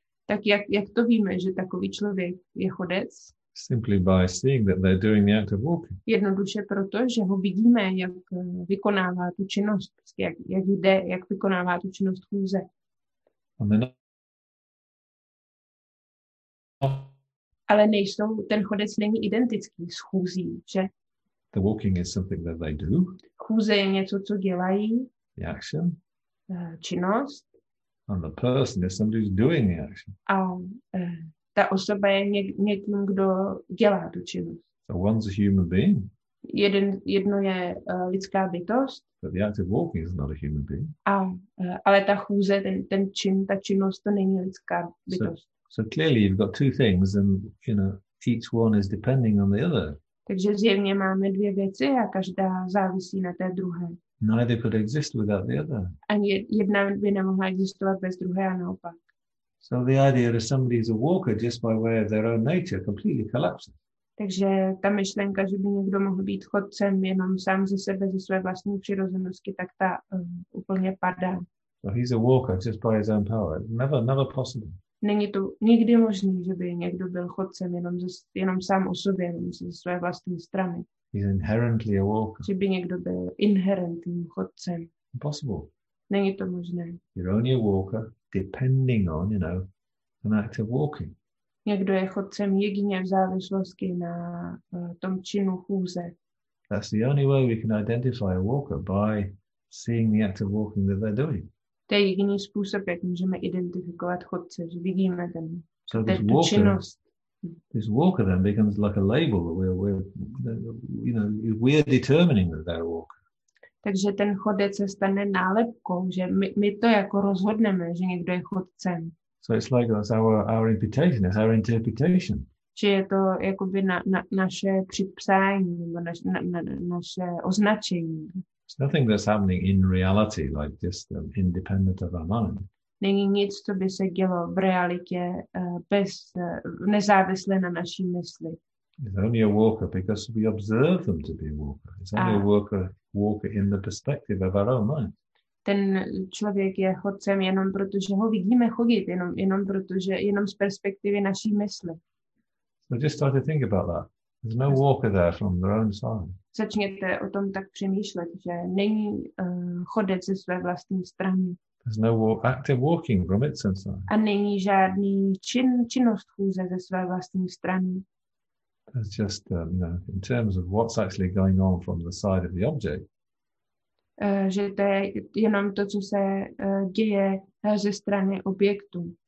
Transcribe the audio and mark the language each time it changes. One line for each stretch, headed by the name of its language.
Czech: Tak jak to víme, že takový člověk je chodec?
English: Simply by seeing that they're doing the act of walking.
Czech: Jednoduše proto, že ho vidíme, jak vykonává tu činnost, jak jde, jak vykonává tu činnost chůze. Ale nejsou, ten chodec není identický s chůzí, že?
English: The walking is something that they do.
Czech: Chůze je něco, co dělají.
English: The action.
Czech: Činnost.
English: And the person is somebody who's doing the action.
Czech: A ta osoba je někým, kdo dělá tu činnost.
English: So one's a human being.
Czech: Jedno je lidská bytost.
English: But the act of walking is not a human being.
Czech: Ale ta chůze, ten čin, ta činnost, to není lidská bytost.
English: So clearly you've got two things, and you know each one is depending on the other.
Czech: Takže zjevně máme dvě věci a každá závisí na té druhé.
English: Neither could exist without the other.
Czech: Ani jedna by nemohla existovat bez druhé a naopak.
English: So the idea that somebody is a walker just by way of their own nature completely collapses.
Czech: Takže ta myšlenka, že by někdo mohl být chodcem jenom sám ze sebe, ze své vlastní přirozenosti, tak ta úplně padá.
English: So he's a walker just by his own power. Never possible.
Czech: není to nikdy možný, že by někdo byl chodcem jenom sám o sobě, jenom ze své vlastní strany.
English: He's inherently a walker.
Czech: Že by někdo byl inherentním chodcem.
English: Impossible.
Czech: Není to možné.
English: You're only a walker depending on, you know, an act of walking.
Czech: Někdo je chodcem jedině v závislosti na tom činu chůze.
English: That's the only way we can identify a walker, by seeing the act of walking that they're doing.
Czech: To je jediný způsob, jak můžeme identifikovat chodce, že vidíme ten, so ten tu walker, činnost.
English: This walker then becomes like a label that you know, we're determining that they're a walker.
Czech: Takže ten chodec se stane nálepkou, že my to jako rozhodneme, že někdo je chodcem.
English: So it's like that's our interpretation, it's our interpretation.
Czech: Či je to jakoby naše připsání, naše označení.
English: It's nothing that's happening in reality, like just independent of our mind.
Czech: Není nic, co by se dělo v realitě bez nezávisle na naší mysli.
English: It's only a walker because we observe them to be a walker. It's only a walker in the perspective of our own mind.
Czech: Ten člověk je chodcem jenom proto, že ho vidíme chodit, jenom proto, že jenom z perspektivy naší mysli.
English: So just start to think about that. There's no walker there from their own side.
Czech: Začněte o tom tak přemýšlet, že není chodec ze své vlastní strany.
English: There's no active walking from its own side.
Czech: A není žádný činnost chůze ze své vlastní strany.
English: It's just, in terms of what's actually going on from the side of the object.
Czech: Že to je jenom to, co se děje ze strany objektu.